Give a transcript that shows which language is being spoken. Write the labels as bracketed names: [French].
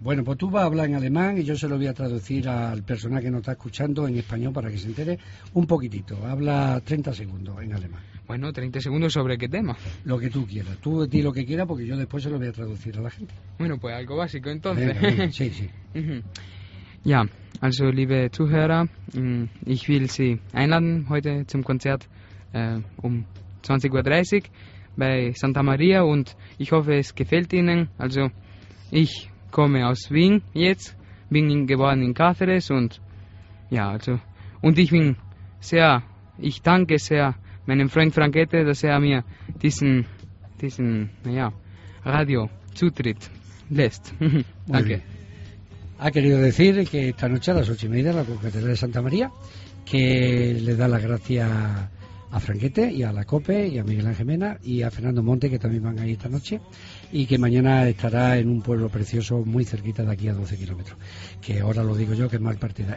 [Spanish] Bueno, pues tú vas a hablar en alemán y yo se lo voy a traducir al personal que nos está escuchando en español para que se entere un poquitito. Habla 30 segundos en alemán. Bueno, 30 segundos sobre qué tema. Lo que tú quieras. Tú di lo que quieras porque yo después se lo voy a traducir a la gente. Bueno, pues algo básico entonces. Venga, sí, sí. [German] Ja, also liebe Zuhörer, ich will Sie einladen heute zum Konzert um 20.30 Uhr bei Santa Maria und ich hoffe, es gefällt Ihnen. Also ich komme aus Wien jetzt, bin geboren in Cáceres und ja, also und ich bin sehr, ich danke sehr meinem Freund Frankette, dass er mir diesen naja, Radio Zutritt lässt. Danke. [Spanish] Ha querido decir que esta noche a las 8:30 en la Catedral de Santa María, que le da las gracias a Franquete y a la COPE y a Miguel Ángel Mena y a Fernando Monte, que también van ahí esta noche, y que mañana estará en un pueblo precioso muy cerquita de aquí a 12 kilómetros, que ahora lo digo yo que es mal partida.